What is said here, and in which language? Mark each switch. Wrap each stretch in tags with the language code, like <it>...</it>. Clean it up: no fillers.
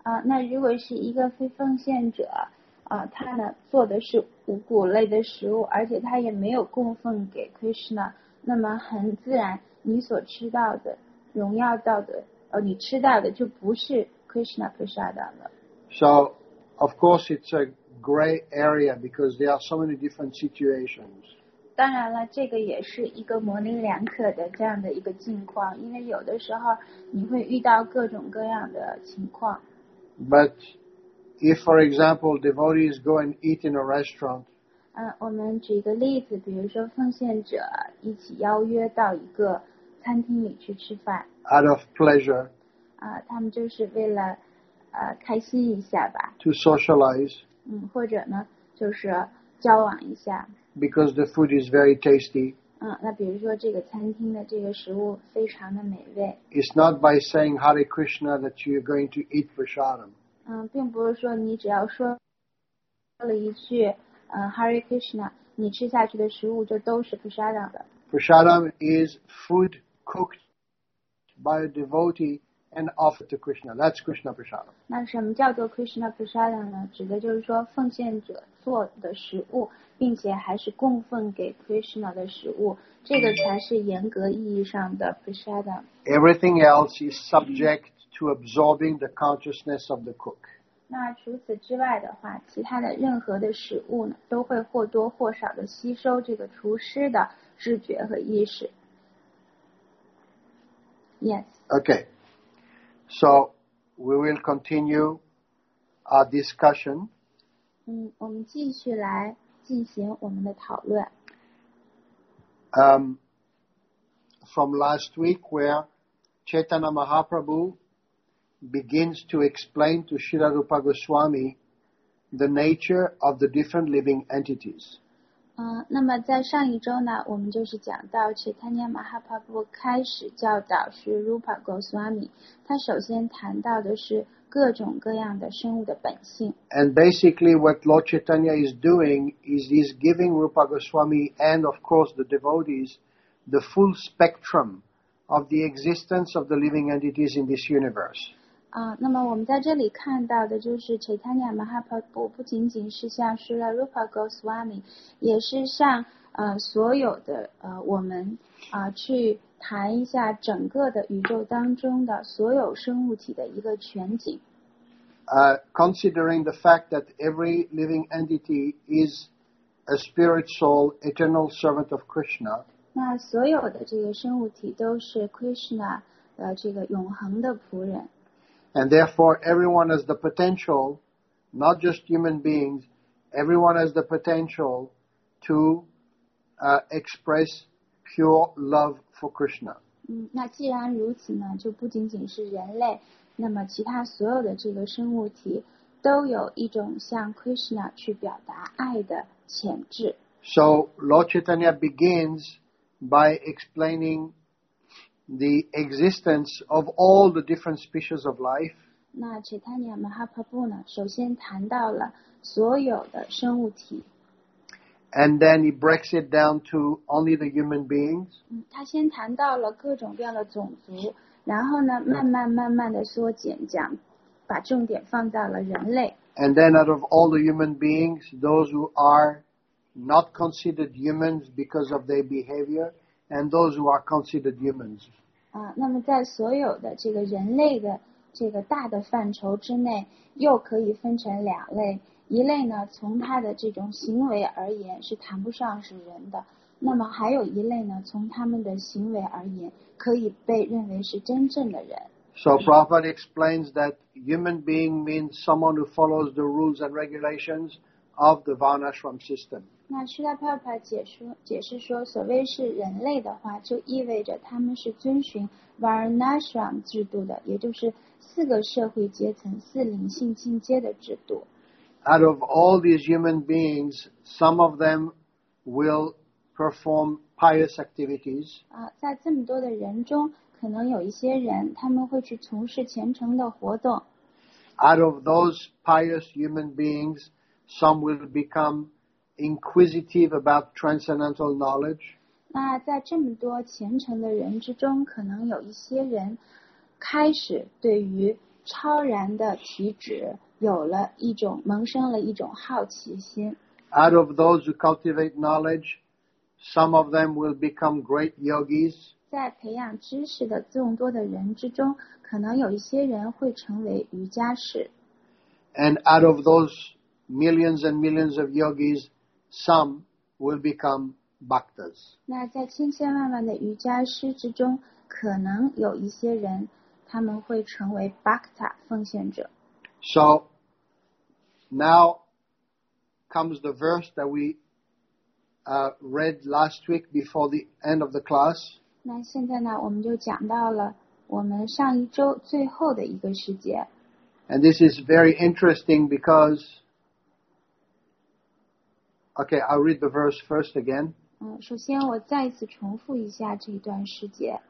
<zh>那如果是一个非奉献者，他呢做的是五谷类的食物，而且他也没有供奉给 Krishna, 那么很自然你所吃到的、荣耀到的、你吃到的就不是 Krishna prasadam 了。</zh> <en>So, of course, it's a gray area because there are so many different situations.</en> <zh>当然了，这个也是一个模棱两可的这样的一个境况，因为有的时候你会遇到各种各样的情况。</zh> <en>But if, for example, devotees go and eat in a restaurant.</en> <zh>我们举个例子，比如说奉献者一起邀约到一个餐厅里去吃饭。</zh> <en>Out of pleasure.</en> <zh>他们就是为了开心一下吧。</zh> <en>To socialize.</en> <zh>或者呢，就是交往一下。</zh> <en>Because the food is very tasty.</en> <zh>那比如说这个餐厅的这个食物非常的美味。</zh> <en>It's not by saying Hare Krishna that you're going to eat prasadam.</en> <zh>并不是说你只要说了一句Hare Krishna, 你吃下去的食物就都是 prasadam 的。</zh> <en>Prasadam is food cooked by a devotee and offered to Krishna. That's Krishna prasadam.</en> <zh>那什么叫做 Krishna prasadam 呢？指的就是说奉献者做的食物。并且还是供奉给 Krishna 的食物，这个才是严格意义上的 prasada。</zh> <en>Everything else is subject to absorbing the consciousness of the cook.</en> <zh>那除此之外的话，其他的任何的食物呢，都会或多或少的吸收这个厨师的知觉和意识。</zh> <en>Yes. Okay. So we will continue our discussion.</en> <zh>我们继续来。进行我们的讨论。</zh> <en>From last week, where Chaitanya Mahaprabhu begins to explain to Srila Rupa Goswami the nature of the different living entities.</en> <zh>那么在上一周呢，我们就是讲到 Chaitanya Mahaprabhu 开始教导 Srila Rupa Goswami， 他首先谈到的是。各种各样的生物的本性。</zh> <en>And basically what Lord Chaitanya is doing is he's giving Rupa Goswami and of course the devotees the full spectrum of the existence of the living entities in this universe.</en> <zh>那么我们在这里看到的就是 Chaitanya Mahaprabhu 不仅仅是向 Srila Rupa Goswami， 也是向所有的我们去谈一下整个的宇宙当中的所有生物体的一个全景。</zh> <en>Considering the fact that every living entity is a spirit soul, eternal servant of Krishna.</en> <zh>那所有的这个生物体都是 Krishna 的这个永恒的仆人。</zh> <en>And therefore, everyone has the potential, not just human beings, everyone has the potential to express pure love for Krishna.</en> <zh>那既然如此呢，就不仅仅是人类，那么其他所有的这个生物体都有一种向 Krishna 去表达爱的潜质。</zh> <en>So Lord Chaitanya begins by explaining the existence of all the different species of life.</en> <zh>那 Chaitanya Mahaprabhu 呢，首先谈到了所有的生物体。</zh> <en>And then he breaks it down to only the human beings.</en> <zh>他先谈到了各种各样的种族，然后呢，慢慢慢慢的缩减讲，把重点放到了人类。</zh> <en>And then out of all the human beings, those who are not considered humans because of their behavior, and those who are considered humans.</en> <zh>那么在所有的这个人类的这个大的范畴之内，又可以分成两类。一类呢，从他的这种行为而言是谈不上是人的，那么还有一类呢，从他们的行为而言可以被认为是真正的人。</zh> <en>So Prabhupada explains that human being means someone who follows the rules and regulations of the Varnashram system.</en> <zh>那释迦牟尼佛解释说，所谓是人类的话，就意味着他们是遵循 Varnashram 制度的，也就是四个社会阶层、四灵性进阶的制度。</zh> <en>Out of all these human beings, some of them will perform pious activities.</en> <zh>在这么多的人中，可能有一些人，他们会去从事虔诚的活动。</zh> <en>Out of those pious human beings, some will become inquisitive about transcendental knowledge.</en> <zh>那在这么多虔诚的人之中，可能有一些人开始对于超然的体质。有了一种萌生了一种好奇心。</zh> <en>Out of those who cultivate knowledge, some of them will become great yogis.</en> <zh>在培养知识的众多的人之中，可能有一些人会成为瑜伽士。</zh> <en>And out of those millions and millions of yogis, some will become bhaktas.</en> <zh>那在千千万万的瑜伽师之中，可能有一些人，他们会成为 bhakta 奉献者。</zh> <en>So now comes the verse that we read last week before the end of the class.</en> <zh>那现在呢，我们就讲到了我们上一周最后的一个时节。</zh> <en>And this is very interesting because, okay, I'll read the verse first again.</en> <zh>首先我再次重复一下这一段时节。</zh>